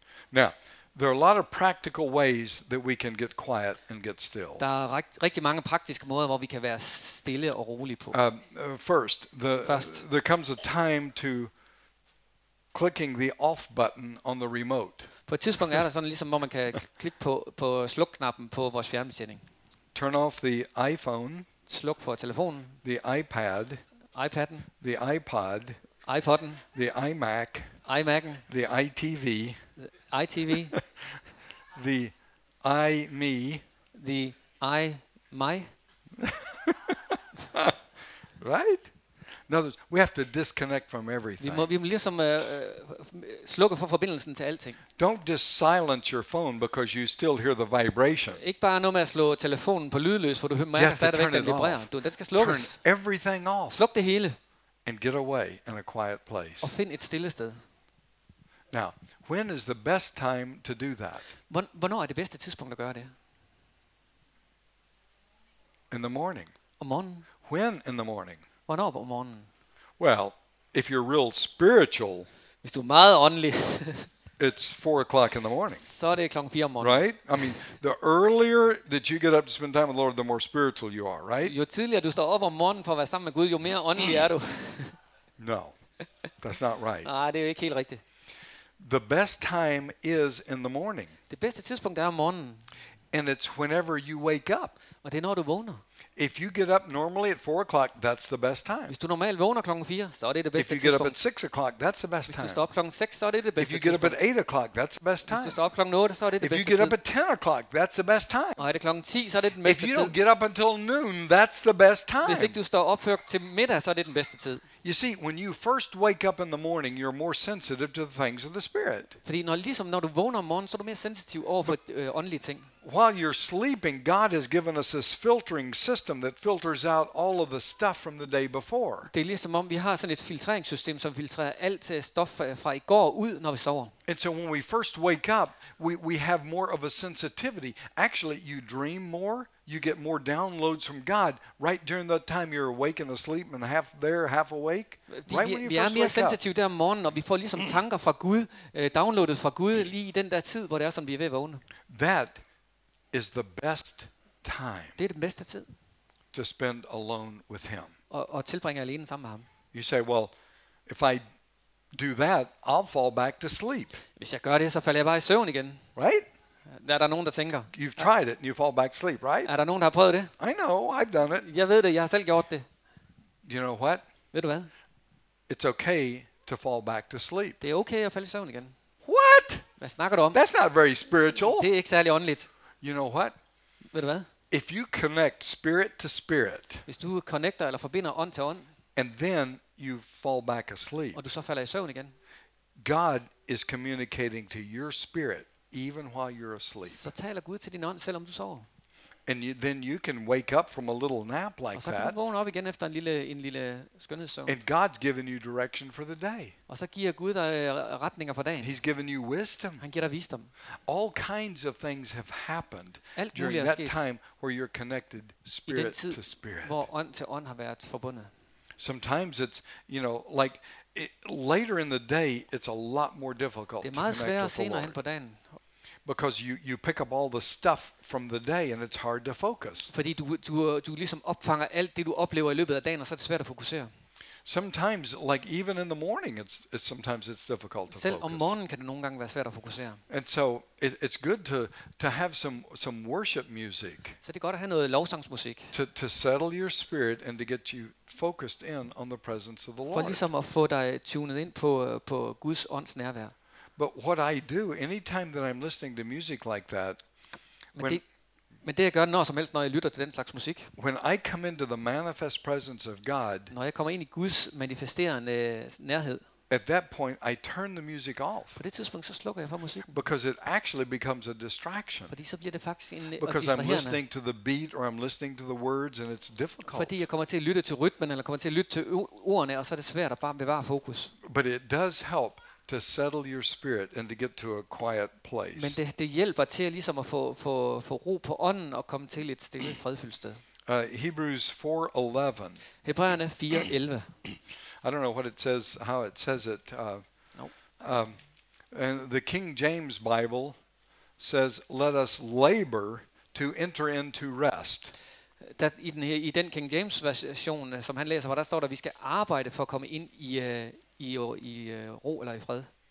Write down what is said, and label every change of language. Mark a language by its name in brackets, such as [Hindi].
[English] Now, there are a lot of practical ways that we can get quiet and get still. [Danish] Der er rigtig mange praktiske måder, hvor vi kan være stille og rolig på. [English] First, there comes a time to clicking the off button on the remote. [Danish] På et tidspunkt er der sådan ligesom, hvor man kan klikke på slukknappen på vores fjernbetjening. [English] Turn off the iPhone. [Danish] Sluk for telefonen. [English] The iPad. [Danish] iPaden. [English] The iPod. [Danish] iPod'en. [English] The iMac. [Danish] iMac'en. [English] The ITV. [Danish] ITV. [English] The I me. The I my. Right? In other words, we have to disconnect from everything. [Danish] Vi må ligesom slukke for forbindelsen til alting. [English] Don't just silence your phone because you still hear the vibration. [Danish] Ikke bare noget med at slå telefonen på lydløs, for du mærker stadigvæk, at den vibrerer. Den skal slukkes. [English] Turn everything off. [Danish] Sluk det hele. [English] And get away in a quiet place. [Danish] Og find et stille sted. [English] Now, when is the best time to do that? [Danish] Hvornår er det bedste tidspunkt at gøre det? [English] In the morning. [Danish] Om morgenen. [English] When in the morning? [Danish] Hvornår på morgenen? [English] Well, if you're real spiritual, [Danish] hvis du er meget åndelig, [English] it's 4 o'clock in the morning. [Danish] Så er det klokken 4 om morgenen. [English] Right? I mean, the earlier that you get up to spend time with the Lord, the more spiritual you are, right? [Danish] Jo tidligere du står op om morgenen for at være sammen med Gud, jo mere åndelig er du. [English] No, that's not right. [Danish] Nej, det er ikke helt rigtigt. [English] The best time is in the morning. [Danish] Det bedste tidspunkt er om morgenen. [English] And it's whenever you wake up. [Danish] Og det er når du vågner. [English] If you get up normally at 4 o'clock, that's the best time. [Danish] Hvis du normalt vågner klokken 4, så er det det bedste tidspunkt. [English] If you get up at 6 o'clock, that's the best time. [Danish] Hvis du står op klokken 6, så er det det bedste tidspunkt. [English] If you get up at 8 o'clock, that's the best time. [Danish] Hvis du står op klokken 8, så er det det bedste tidspunkt. [English] If you get up at 10 o'clock, that's the best time. [Danish] Og er det klokken 10, så er det den bedste tid. [English] If you don't get up until noon, that's the best time. [Danish] Hvis ikke du står op før til middag, så er det den bedste tid. [English] You see, when you first wake up in the morning, you're more sensitive to the things of the spirit. [Danish] Fordi når du vågner om morgenen, så er du mere sensitiv over for åndelige ting. [English] While you're sleeping, God has given us this filtering system that filters out all of the stuff from the day before. [Danish] Det er ligesom om vi har sådan et filtreringssystem, som filtrerer alt stof fra i går ud, når vi sover. [English] And so when we first wake up, we have more of a sensitivity. Actually, you dream more. You get more downloads from God right during the time you're awake and asleep and half there, half awake. [Danish] Vi er mere sensitive der om morgenen, og vi får ligesom tanker fra Gud, downloadet fra Gud lige i den der tid, hvor det er, som vi er ved at vågne. [English] That is the best time. [Danish] Det er den bedste tid. [English] To spend alone with Him. [Danish] Og tilbringe alene sammen med Ham. [English] You say, well, if I do that, I'll fall back to sleep. [Danish] Hvis jeg gør det, så falder jeg bare i søvn igen. [English] Right? [Danish] Er der nogen, der tænker? [English] You've tried it and you fall back asleep, right? [Danish] Er der nogen, der har prøvet det? [English] I know, I've done it. [Danish] Jeg ved det, jeg har selv gjort det. [English] You know what? [Danish] Ved du hvad? [English] It's okay to fall back to sleep. [Danish] Det er okay at falde i søvn igen. [English] What? [Danish] Hvad snakker du om? [English] That's not very spiritual. [Danish] Det er ikke særlig åndeligt. [English] You know what? [Danish] Ved du hvad? [English] If you connect spirit to spirit. [Danish] Hvis du connecter eller forbinder ånd til ånd. [English] And then you fall back asleep. [Danish] Og du så falder i søvn igen. [English] God is communicating to your spirit. Even while you're asleep. [Danish] Så taler Gud til din ånd, selvom du sover. [English] And then you can wake up from a little nap like that. [Danish] Og så kan du vågne op igen efter en lille skønhedssøvn. [English] And God's given you direction for the day. [Danish] Og så giver Gud dig retninger for dagen. [English] He's given you wisdom. [Danish] Han giver dig visdom. [English] All kinds of things have happened during that time where you're connected spirit to spirit. [Danish] Hvor ånd til ånd har været forbundet. [English] Sometimes it's, you know, like later in the day, it's a lot more difficult. [Danish] Det er meget sværere senere hen på dagen. [English] Because you pick up all the stuff from the day and it's hard to focus. [Danish] Fordi du ligesom opfanger alt det du oplever i løbet af dagen, og så er det svært at fokusere. [English] Sometimes, like even in the morning, it's sometimes it's difficult to [Danish] selv [English] focus. [Danish] Selv om morgenen kan det nogle gange være svært at fokusere. [English] And so it's good to have some worship music. [Danish] Så det er godt at have noget lovsangsmusik. [English] To settle your spirit and to get you focused in on the presence of the Lord. [Danish] For ligesom at få dig tunet ind på Guds ånds nærvær. [English] But what I do anytime that I'm listening to music like that. [Danish] Men det jeg gør når som helst når jeg lytter til den slags musik. [English] When I come into the manifest presence of God. [Danish] Når jeg kommer ind i Guds manifesterende nærhed. [English] At that point I turn the music off. [Danish] På det tidspunkt så slukker jeg for musikken. [English] Because it actually becomes a distraction. [Danish] Fordi så bliver det faktisk en distraktion. [English] Because I'm listening to the beat or I'm listening to the words and it's difficult. [Danish] Fordi jeg kommer til at lytte til rytmen eller kommer til at lytte til ordene og så er det svært at bare bevare fokus. [English] But it does help to settle your spirit and to get to a quiet place. [Danish] Men det hjælper til ligesom at få ro på ånden og komme til et stille fredfyldt sted. [English] Hebrews 4:11. [Danish] Hebræerne 4:11. [English] I don't know what it says, how it says it. And the King James Bible says, "Let us labor to enter into rest." [Danish] Der i den King James version, som han læser, hvor der står der, vi skal arbejde for at komme ind i ro eller i fred.